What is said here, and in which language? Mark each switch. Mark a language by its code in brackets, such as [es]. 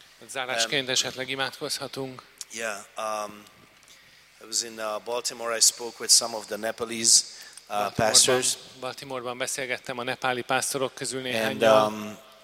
[hu] Zárásként esetleg imádkozhatunk. [en] Yeah, I was in Baltimore. I spoke with some of the Nepalese pastors. [hu] Baltimoreban beszélgettem a nepáli pásztorok közül néhányan.